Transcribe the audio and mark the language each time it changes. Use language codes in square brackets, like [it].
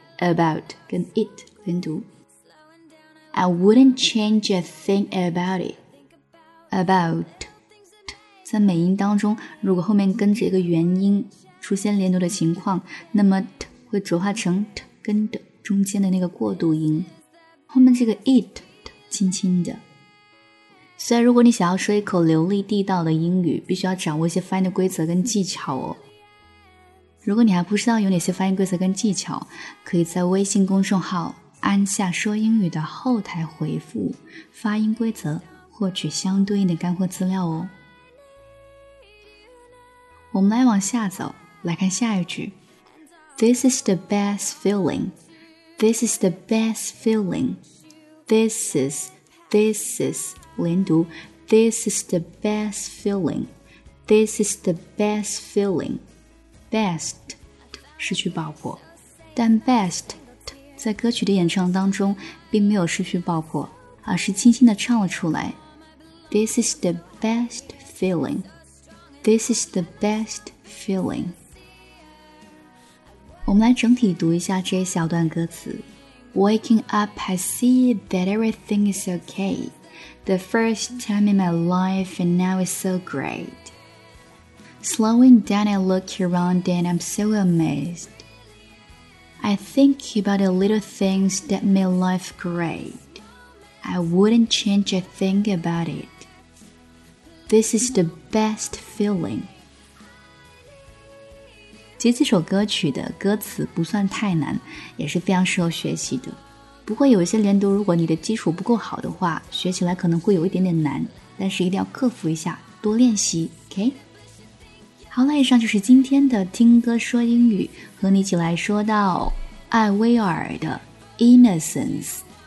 [en] About 跟 it. 连读 I wouldn't change a thing about it. [zh] About 在美音当中，如果后面跟着一个元音出现连读的情况，那么 t 会浊化成 t 跟 t 中间的那个过渡音，后面这个 it 轻轻的。所以如果你想要说一口流利地道的英语，必须要掌握一些发音的规则跟技巧哦。如果你还不知道有哪些发音规则跟技巧，可以在微信公众号安夏说英语的后台回复发音规则，获取相对应的干货资料哦。我们来往下走，来看下一句。 [en] This is the best feeling. This is the best feeling. This is 连读。This is the best feeling. This is the best feeling. [zh] Best 失去爆破，但 best 在歌曲的演唱当中并没有失去爆破，而是轻轻地唱了出来。 [en] This is the best feeling. This is the best feeling. [zh] 我们来整体读一下这一小段歌词。 [en] Waking up, I see that everything is okay. The first time in my life and now it's so great. Slowing down, I look around and I'm so amazed. I think about the little things that make life great. I wouldn't change a thing about it. This is the best feeling. [zh] 其实这首歌曲的歌词不算太难，也是非常适合学习的。不过有一些连读，如果你的基础不够好的话，学起来可能会有一点点难，但是一定要克服一下，多练习 ,OK? 好了，以上就是今天的听歌说英语，和你一起来说到艾薇儿的 Innocence。